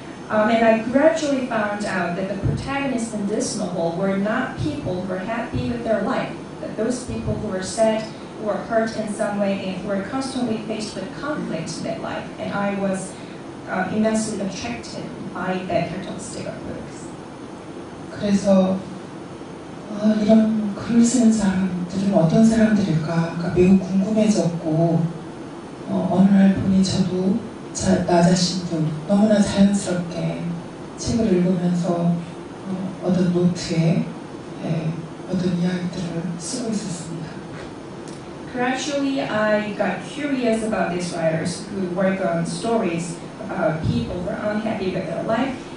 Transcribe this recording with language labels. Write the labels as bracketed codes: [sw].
[en] And I gradually found out that the protagonists in this novel were not people who were happy with their life, that those people who were sad, who were hurt in some way, and who were constantly faced with conflict in their life. And I was immensely attracted by that characteristic of books. [ko] 그래서 이런 글을 쓰는 사람들은 어떤 사람들일까 매우 궁금해졌고 어느 날 보니 저도 나 자신도 너무나 자연스럽게 책을 읽으면서 어떤 노트에 어떤 이야기들을 쓰고 있었습니다. [en] Gradually, I got curious about these writers who work on stories about people who are unhappy with their life.